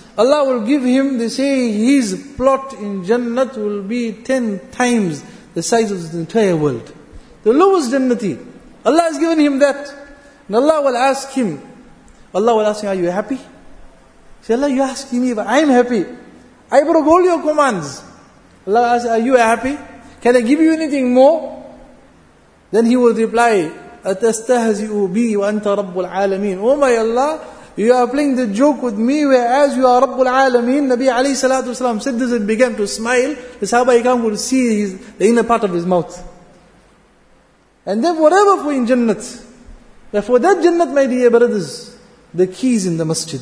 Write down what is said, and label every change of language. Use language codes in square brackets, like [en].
[en] Allah will give him, they say, his plot in Jannah will be 10 times the size of the entire world. The lowest Jannati. Allah has given him that. And Allah will ask him, are you happy? Say, Allah, you're asking me, but I'm happy. I broke all your commands. Allah asks, are you happy? Can I give you anything more? Then he will reply, [ar] أَتَسْتَهَزِئُ بِي وَأَنْتَ رَبُّ الْعَالَمِينَ. [en] Oh my Allah, you are playing the joke with me, whereas you are [ar] رَبُّ الْعَالَمِينَ. [en] Nabi alayhi salatu wasalam said this and began to smile. The Sahaba Ikram would see the inner part of his mouth. And then whatever for in Jannat. For that Jannat, my dear brothers, the key is in the masjid.